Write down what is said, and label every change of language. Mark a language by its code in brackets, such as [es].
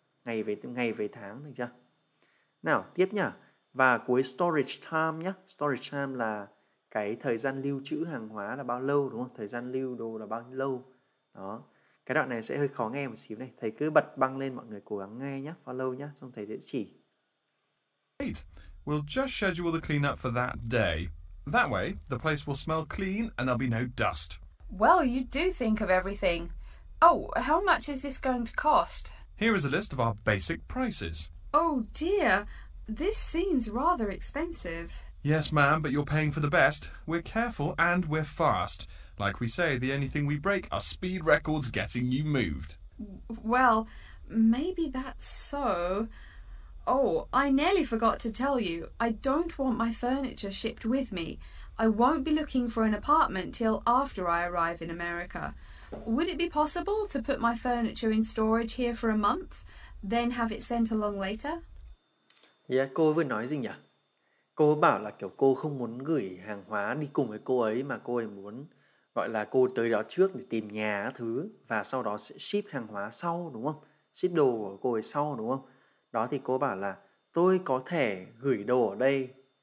[vi] Ngày về tháng, được chưa? Nào, tiếp nhá. Và cuối storage time nhá. Storage time là cái thời gian lưu trữ hàng hóa là bao lâu, đúng không? Thời gian lưu đồ là bao lâu? Đó. Cái đoạn này sẽ hơi khó nghe một xíu này. Thầy cứ bật băng lên, mọi người cố gắng nghe nhé. Follow nhé, xong thầy sẽ chỉ. [en] Great. We'll just schedule the cleanup for that day. That way, the place will smell clean and there'll be no dust. Well, you do think of everything. Oh, how much is this going to cost? Here is a list of our basic prices. Oh dear, this seems rather expensive. Yes, ma'am, but you're paying for the best. We're careful and we're fast. Like we say, the only thing we break are speed records getting you moved. Well, maybe that's so. Oh, I nearly forgot to tell you. I don't want my furniture shipped with me. I won't be looking for an apartment till after I arrive in America. Would it be possible to put my furniture in storage here for a month, then have it sent along later? [vi] Yeah, cô vừa nói gì nhỉ? Cô bảo là kiểu cô không muốn gửi hàng hóa đi cùng với cô ấy mà cô ấy muốn gọi là cô tới đó trước để tìm nhà thứ và sau đó sẽ ship hàng hóa sau đúng không? Ship đồ của cô ấy sau đúng không? Đó thì cô bảo là tôi có thể gửi đồ ở đây.